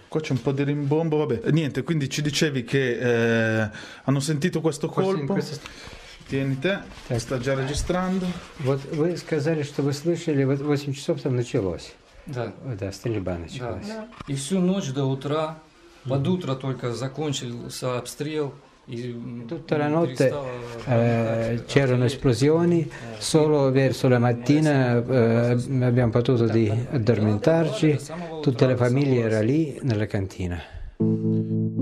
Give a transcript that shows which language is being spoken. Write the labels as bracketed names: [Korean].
[Italian] Qua c'è un po' di rimbombo, vabbè. Niente, quindi ci dicevi che hanno sentito questo colpo. Tieni te, sta già registrando. [Russian] Вот вы сказали, что вы слышали, 8 часов там началось. Да. Да, стрельба началась. Да. И всю ночь до утра, под утро только закончился обстрел. [Italian] Tutta la notte c'erano esplosioni, solo verso la mattina abbiamo potuto di addormentarci, tutte le famiglie erano lì nella cantina.